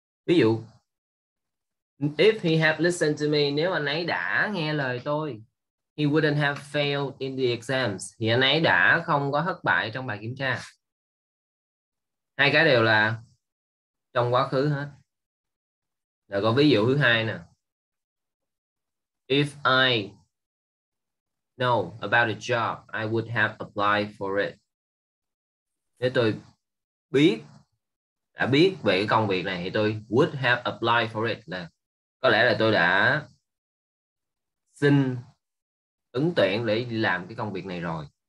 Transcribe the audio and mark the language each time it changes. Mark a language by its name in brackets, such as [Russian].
[Vietnamese] Ví dụ, [English] if he had listened to me, [Vietnamese] nếu anh ấy đã nghe lời tôi, [English] he wouldn't have failed in the exams, [Vietnamese] thì anh ấy đã không có thất bại trong bài kiểm tra. Hai cái đều là trong quá khứ hết. Rồi có ví dụ thứ hai nè. [English] If I know about a job, I would have applied for it. [Vietnamese] Nếu tôi biết, đã biết về cái công việc này thì tôi [English] would have applied for it. [Vietnamese] Là có lẽ là tôi đã xin ứng tuyển để làm cái công việc này rồi.